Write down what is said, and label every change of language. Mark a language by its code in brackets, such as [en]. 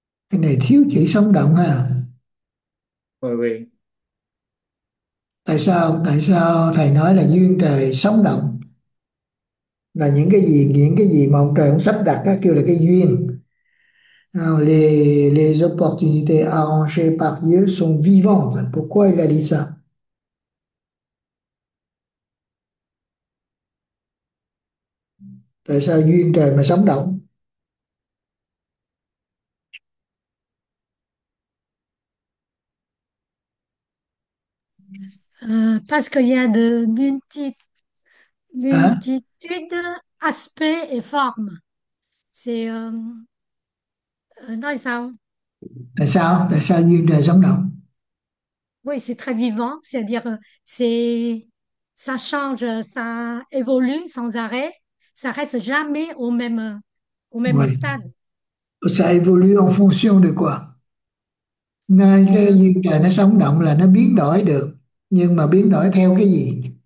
[vi] Cái này thiếu chữ sống động à. [fr] Oui. [vi] Tại sao thầy nói là duyên trời sống động, là những cái gì mà ông trời ông sắp đặt á, kêu là cái duyên. [fr] Les opportunités arrangées par Dieu sont vivantes. Pourquoi il a dit ça? [vi] Tại sao duyên trời mà sống động? [fr] Parce qu'il y a de Hein? multitudes aspects et formes. C'est [vi] nói sao? Tại sao duyên đời sống động? [fr] Oui, c'est très vivant, c'est-à-dire c'est ça change, ça évolue sans arrêt, ça reste jamais au même Oui. stade. Ça évolue en fonction de quoi? [vi] Ngay cái duyên trời nó sống động là nó biến đổi được. Nhưng mà biến đổi theo cái gì?